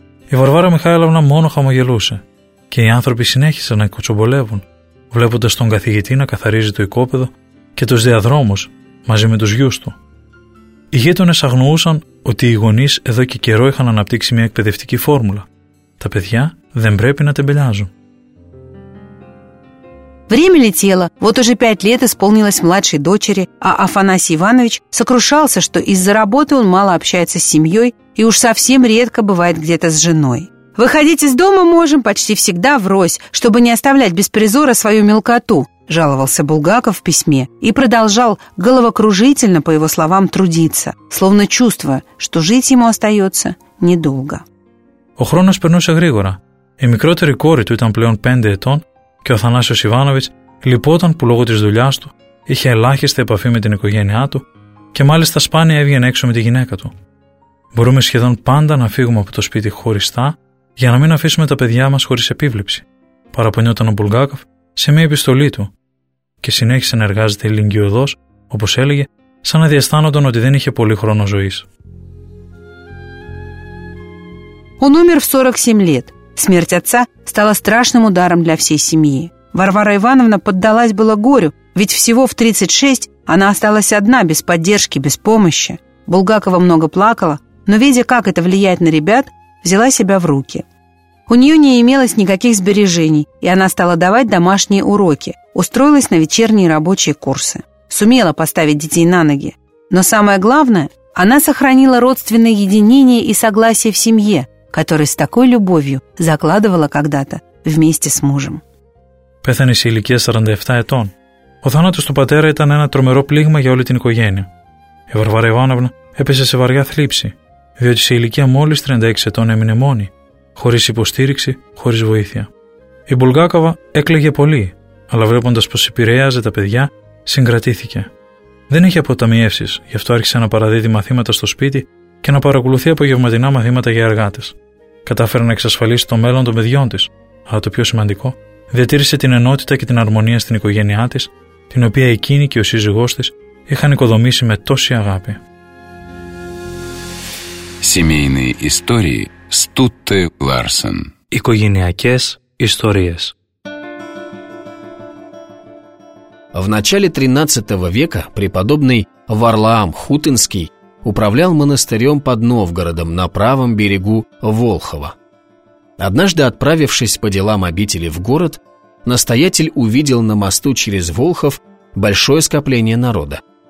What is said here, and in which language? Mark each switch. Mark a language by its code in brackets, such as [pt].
[el] Η Βαρβάρα Μιχάλαβνα μόνο χαμογελούσε και οι άνθρωποι συνέχισαν να κοτσομπολεύουν, βλέποντας τον καθηγητή να καθαρίζει το οικόπεδο και τους διαδρόμους μαζί με τους γιους του. Οι γείτονες αγνοούσαν ότι οι γονείς εδώ και καιρό είχαν αναπτύξει μια εκπαιδευτική φόρμουλα. Τα παιδιά δεν πρέπει να τεμπελιάζουν. [ru] Время летело, вот уже 5 исполнилось младшей дочери, а Афанасий Иванович сокрушался, что из-за работы он мало общается с семьей и уж совсем редко бывает где-то с женой. «Выходить из дома можем почти всегда врозь, чтобы не оставлять без призора свою мелкоту», жаловался Булгаков в письме и продолжал головокружительно, по его словам, трудиться, словно чувствуя, что жить ему остается недолго. [el] Ο хронос περνούσε γρήγορα. Η μικρότερη κόρη του ήταν πλέον 5 ετών και ο Θανάσιος Ιβάνοβιτς λυπόταν που λόγω της δουλειάς του είχε ελάχιστη επαφή με την οικογένειά του και μάλιστα σπάνια έβγαινε έξω με τη γυναίκα του. Μπορούμε σχεδόν πάντα να φύγουμε από το σπίτι χωριστά για να μην αφήσουμε τα παιδιά μας χωρίς επίβλεψη, παραπονιόταν ο Μπουλγάκοφ σε μια επιστολή του και συνέχισε να εργάζεται ηλικιωδώς, όπως έλεγε, σαν να διαισθάνονταν ότι δεν είχε πολύ χρόνο ζωής. [ru] Он умер в 47 лет. Смерть отца стала страшным ударом для всей семьи. Варвара Ивановна поддалась было горю, ведь всего в 36 она осталась одна, без поддержки, без помощи. Булгакова много плакала, но, видя, как это влияет на ребят, взяла себя в руки. У нее не имелось никаких сбережений, и она стала давать домашние уроки, устроилась на вечерние рабочие курсы. Сумела поставить детей на ноги. Но самое главное, она сохранила родственное единение и согласие в семье, которое с такой любовью закладывала когда-то вместе с мужем. [el] Πέθανε σε ηλικία 47 ετών. Ο θάνατος του πατέρα ήταν ένα τρομερό πλήγμα για όλη την οικογένεια. Η Βαρβάρα Ιβάνοβνα έπεσε σε βαριά θλίψη, διότι σε ηλικία μόλις 36 ετών έμεινε μόνη, χωρίς υποστήριξη, χωρίς βοήθεια. Η Μπουλγάκοβα έκλαιγε πολύ, αλλά βλέποντας πως επηρέαζε τα παιδιά, συγκρατήθηκε. Δεν είχε αποταμιεύσεις, γι' αυτό άρχισε να παραδίδει μαθήματα στο σπίτι και να παρακολουθεί απογευματινά μαθήματα για εργάτες. Κατάφερε να εξασφαλίσει το μέλλον των παιδιών της, αλλά το πιο σημαντικό, διατήρησε την ενότητα και την αρμονία στην οικογένειά της, την οποία εκείνη και ο σύζυγός της είχαν οικοδομήσει με τόση αγάπη. [ru] Семейные истории Стутте Ларсен. [el] Οικογενειακές ιστορίες. [ru] В начале 13 века преподобный Варлаам Хутынский управлял монастырем под Новгородом на правом берегу Волхова. Однажды, отправившись по делам обители в город, настоятель увидел на мосту через Волхов большое скопление народа.